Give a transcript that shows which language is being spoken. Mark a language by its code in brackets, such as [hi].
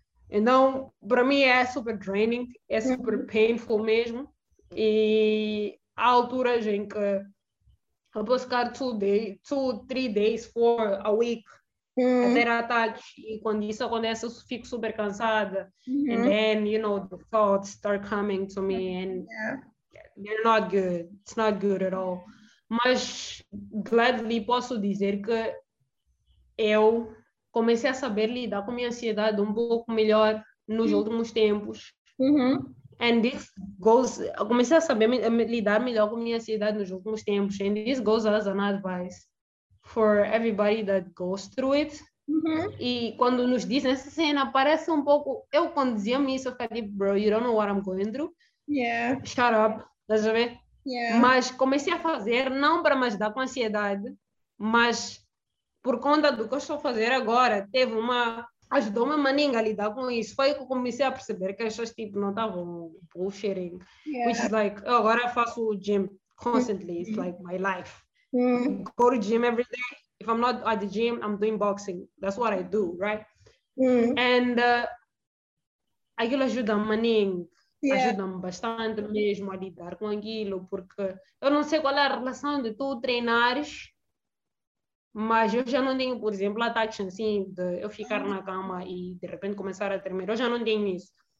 [pt] Então, para mim é super draining, é super painful mesmo, e há alturas em que eu posso ficar 2, 3 days, 4 a week, fazer ataques, e quando isso acontece eu fico super cansada. [en] And then, you know, the thoughts start coming to me and they're not good, it's not good at all. [pt] Mas gladly posso dizer que eu comecei a saber lidar com a minha ansiedade um pouco melhor nos últimos tempos. [en] And this goes, [pt] eu comecei a saber lidar melhor com a minha ansiedade nos últimos tempos, [en] and this goes as an advice for everybody that goes through it. [pt] E quando nos dizem essa cena, parece um pouco... Eu, quando dizia-me isso, eu ficava tipo, [en] bro, you don't know what I'm going through. Yeah. Shut up. [pt] Estás a ver? [en] Yeah. [pt] Mas comecei a fazer, não para me ajudar com ansiedade, mas por conta do que eu estou a fazer agora, teve uma... Ajudou uma maninga a lidar com isso. Foi que eu comecei a perceber que as pessoas, tipo, não estavam bullshitting. [en] Yeah. Which is like, [pt] eu agora faço o [en] gym constantly. It's like my life. Go to gym every day. If I'm not at the gym, I'm doing boxing. That's what I do, right? [pt] And aquilo ajuda-me, ajuda-me bastante mesmo a lidar com aquilo, porque eu não sei qual é a relação de tu treinares, mas eu já não tenho, por exemplo, ataques assim, de eu ficar na cama e de repente começar a tremer. Eu já não tenho isso.